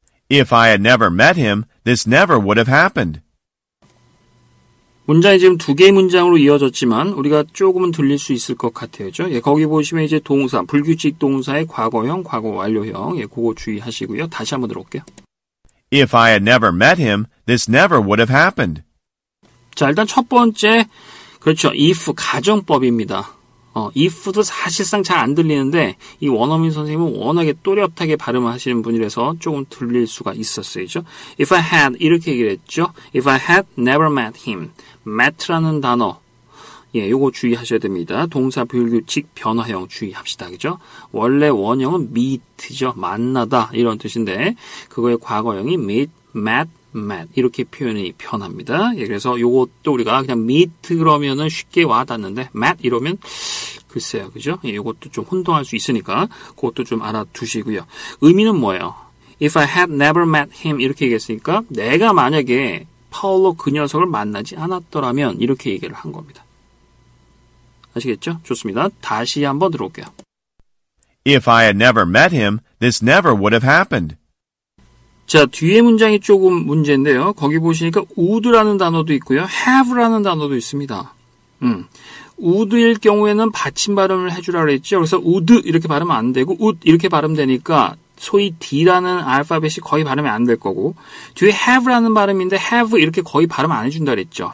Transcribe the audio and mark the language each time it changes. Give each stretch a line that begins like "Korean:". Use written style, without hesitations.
English: If I had never met him, this never would have happened.
Korean: 문장이 지금 두 개의 문장으로 이어졌지만 우리가 조금은 들릴 수 있을 것 같아요. 예, 거기 보시면 이제 동사, 불규칙 동사의 과거형, 과거 완료형. 예, 그거 주의하시고요. 다시 한번 들어볼게요.
English: If I had never met him, this never would have happened.
Korean: 자, 일단 첫 번째, 그렇죠. if, 가정법입니다. if도 사실상 잘 안 들리는데 이 원어민 선생님은 워낙에 또렷하게 발음하시는 분이라서 조금 들릴 수가 있었어요.
English: If I had
Korean: 이렇게 얘기를 했죠.
English: If I had never met him.
Korean: met라는 단어 예, 요거 주의하셔야 됩니다. 동사 불규칙 변화형 주의합시다. 그죠? 원래 원형은 meet죠. 만나다 이런 뜻인데 그거의 과거형이 meet, met, met 이렇게 표현이 변합니다. 예, 그래서 요것도 우리가 그냥 meet 그러면은 쉽게 와닿는데 met 이러면 글쎄요. 그죠? 예, 요것도 좀 혼동할 수 있으니까 그것도 좀 알아두시고요. 의미는 뭐예요?
English: If I had never met him
Korean: 이렇게 얘기했으니까 내가 만약에 파울로 그 녀석을 만나지 않았더라면 이렇게 얘기를 한 겁니다. 아시겠죠? 좋습니다. 다시 한번 들어볼게요.
English: If I had never met him, this never would have happened.
Korean: 자, 뒤에 문장이 조금 문제인데요. 거기 보시니까 would라는 단어도 있고요. have라는 단어도 있습니다. would일 경우에는 받침 발음을 해주라고 했죠. 그래서 would 이렇게 발음 안 되고 would 이렇게 발음 되니까 소위 D라는 알파벳이 거의 발음이 안 될 거고 뒤에 have라는 발음인데 have 이렇게 거의 발음 안 해준다 그랬죠.